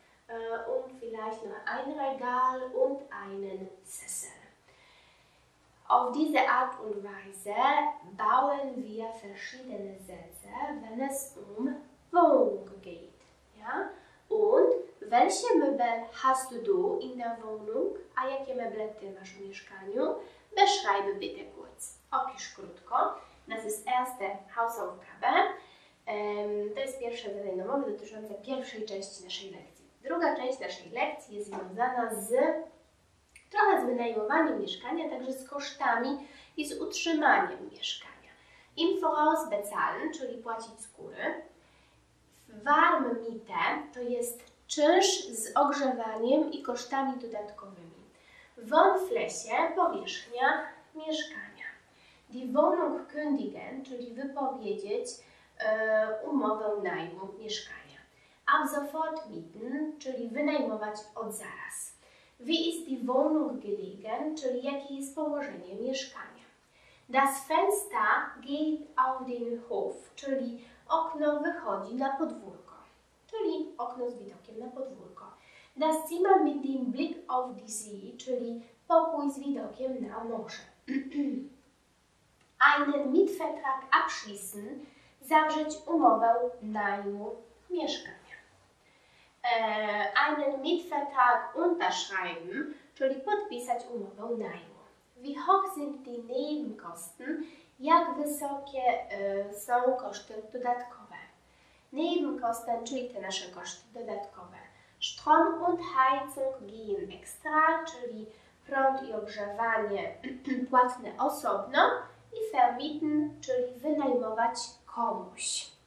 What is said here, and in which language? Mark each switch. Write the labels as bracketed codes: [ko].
[de] Und vielleicht noch ein Regal und einen Sessel. Auf diese Art und Weise bauen wir verschiedene Sätze, wenn es um Wohnung geht. Ja? Und welche Möbel hast du in der Wohnung? [pl] A jakie meble ty masz w mieszkaniu? [de] Beschreibe bitte kurz. [pl] Opisz krótko. [de] Das ist erste Hausaufgabe. [pl] To jest pierwsze zadanie domowe dotyczące pierwszej części naszej lekcji. Druga część naszej lekcji jest związana z trochę z wynajmowaniem mieszkania, także z kosztami i z utrzymaniem mieszkania. [de] Im Voraus bezahlen, [pl] czyli płacić z góry. Warmmiete to jest czynsz z ogrzewaniem i kosztami dodatkowymi. Wohnfläche, powierzchnia mieszkania. [de] Die Wohnung kündigen, [pl] czyli wypowiedzieć umowę najmu mieszkania. [de] Ab sofort mieten, [pl] czyli wynajmować od zaraz. [de] Wie ist die Wohnung gelegen, [pl] czyli jakie jest położenie mieszkania. [de] Das Fenster geht auf den Hof, [pl] czyli okno wychodzi na podwórko. Czyli okno z widokiem na podwórko. [de] Das Zimmer mit dem Blick auf die See, [pl] czyli pokój z widokiem na morze. [de] Einen Mietvertrag abschließen, [pl] zawrzeć umowę najmu mieszkania. [de] Einen Mietvertrag unterschreiben, [pl] czyli podpisać umowę najmu. [de] Wie hoch sind die Nebenkosten? [pl] Jak wysokie są koszty dodatkowe? Nebenkosten, czyli te nasze koszty dodatkowe. [de] Strom und Heizung gehen extra, [pl] czyli prąd i ogrzewanie płatne osobno. I vermieten, czyli wynajmować komuś.